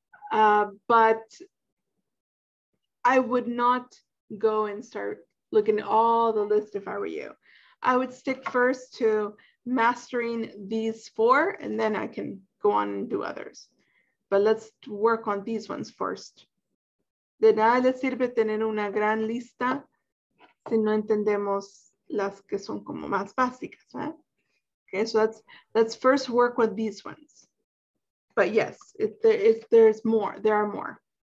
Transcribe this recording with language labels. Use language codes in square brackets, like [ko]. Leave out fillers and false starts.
[en] But I would not go and start looking at all the list if I were you. I would stick first to mastering these four, and then I can go on and do others. But let's work on these ones first. [es] De nada le sirve tener una gran lista si no entendemos las que son como más básicas. ¿Eh? [en] Okay, so let's first work with these ones. But yes, if there's more, there are more.